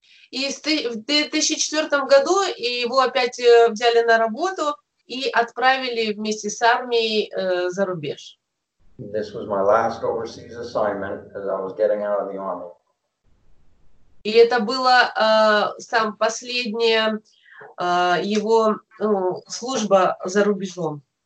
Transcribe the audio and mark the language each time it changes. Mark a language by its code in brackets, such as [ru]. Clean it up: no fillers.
[ru] И в 2004 году его опять взяли на работу и отправили вместе с армией за рубеж. [en] This was my last overseas assignment as I was getting out of the army. [ru] И это было сам последнее его служба за рубежом.